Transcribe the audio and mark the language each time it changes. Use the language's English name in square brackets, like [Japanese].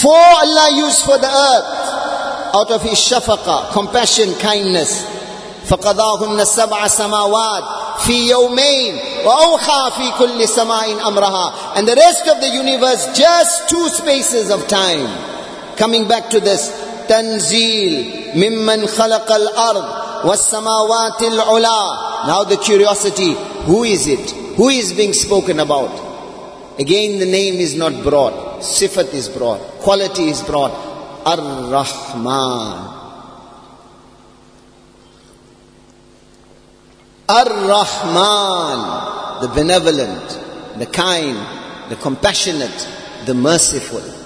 [English] Four Allah used for the earth out of His shafaqah, compassion, kindness. [Arabic] فَقَضَاهُنَّ سَبْعَ سَمَاوَاتٍ فِي يَوْمَيْنِ وَأَوْحَى فِي كُلِّ سَمَاءٍ أَمْرَهَا. [English] And the rest of the universe, just two spaces of time. Coming back to this, [Arabic] تَنْزِيل مِمَّنْ خَلَقَ الْأَرْضِ وَالسَّمَاوَاتِ الْعُلَىٰ. [English] Now the curiosity, who is it? Who is being spoken about? Again, the name is not brought. Sifat is brought. Quality is brought. Ar-Rahman. Ar-Rahman. The benevolent, the kind, the compassionate, the merciful.